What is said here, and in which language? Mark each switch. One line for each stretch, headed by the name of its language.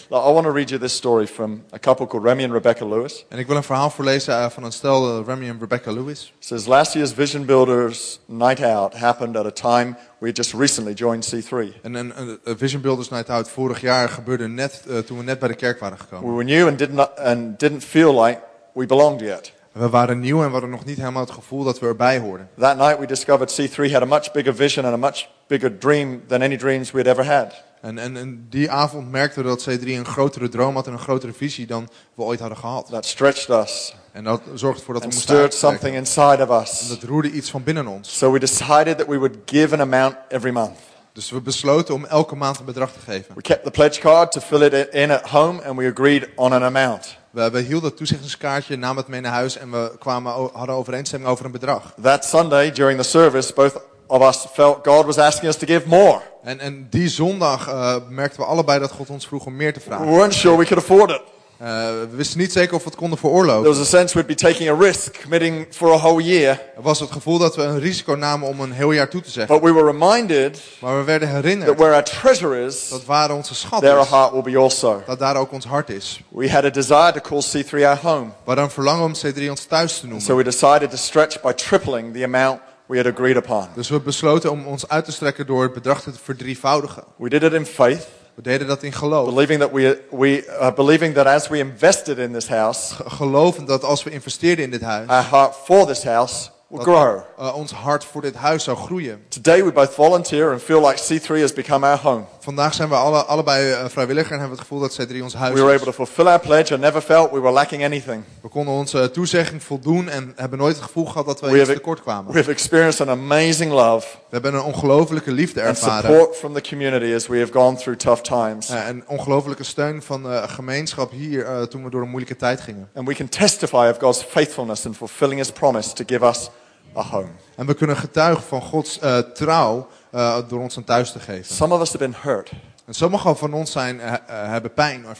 English: Now, I want to read you this story from a couple called Remy and Rebecca Lewis.
Dutch: En ik wil een verhaal voorlezen van een stel, Remy en Rebecca Lewis.
English: It says last year's Vision Builders night out happened at a time we had just recently joined C3.
Dutch: En een Vision Builders night out vorig jaar gebeurde net toen we net bij de kerk waren gekomen.
English: We were new and didn't feel like we belonged yet.
Dutch: We waren nieuw en we hadden nog niet helemaal het gevoel dat we erbij hoorden.
English: That night we discovered C3 had a much bigger vision and a much bigger dream than any dreams we had ever had.
Dutch: En die avond merkten we dat C3 een grotere droom had en een grotere visie dan we ooit hadden gehad.
English: That stretched us.
Dutch: En dat zorgde ervoor dat we moesten uitkijken.
English: Something inside of us.
Dutch: En dat roerde iets van binnen ons.
English: So we decided that we would give an amount every month.
Dutch: Dus we besloten om elke maand een bedrag te geven.
English: We kept the pledge card to fill it in at home and we agreed on an amount.
Dutch: We hielden het toezeggingskaartje, namen het mee naar huis en we hadden overeenstemming over een bedrag.
English: That Sunday during the service, both of us felt God was asking us to give more.
Dutch: En die zondag merkten we allebei dat God ons vroeg om meer te vragen.
English: We weren't sure we could afford it.
Dutch: We wisten niet zeker of we het konden veroorloven.
English: There was a sense we'd be taking a risk, committing for a whole year.
Dutch: Er was het gevoel dat we een risico namen om een heel jaar toe te zeggen.
English: But we were reminded,
Dutch: maar we werden herinnerd,
English: that where our treasure is,
Dutch: dat waar onze schat
English: there
Dutch: is,
English: our heart will be also.
Dutch: Dat daar ook ons hart is.
English: We had a desire to call C3 our home.
Dutch: We hadden een verlangen om C3 ons thuis te noemen.
English: So we decided to stretch by tripling the amount we had agreed upon.
Dutch: Dus we besloten om ons uit te strekken door het bedrag te verdrievoudigen.
English: We did it in faith.
Dutch: We deden dat in geloof.
English: Believing that we as we invested in this house,
Dutch: geloven dat als we investeerden in dit huis,
English: our heart for this house will grow.
Dutch: Ons hart voor dit huis zou groeien.
English: Today we both volunteer and feel like C3 has become our home.
Dutch: Vandaag zijn we allebei vrijwilliger en hebben het gevoel dat C3 ons huis is.
English: We were able to fulfill our pledge and never felt we were lacking anything.
Dutch: We konden onze toezegging voldoen en hebben nooit het gevoel gehad dat we iets tekort kwamen.
English: We have experienced an amazing love.
Dutch: We hebben een ongelofelijke liefde ervaren.
English: And support from the community as we have gone through tough times.
Dutch: En ongelofelijke steun van de gemeenschap hier toen we door een moeilijke tijd gingen.
English: And we can testify of God's faithfulness in fulfilling his promise to give us a home.
Dutch: En we kunnen getuigen van Gods trouw door ons een thuis te geven.
English: Some of us have been hurt.
Dutch: En sommige van ons hebben pijn ervaren.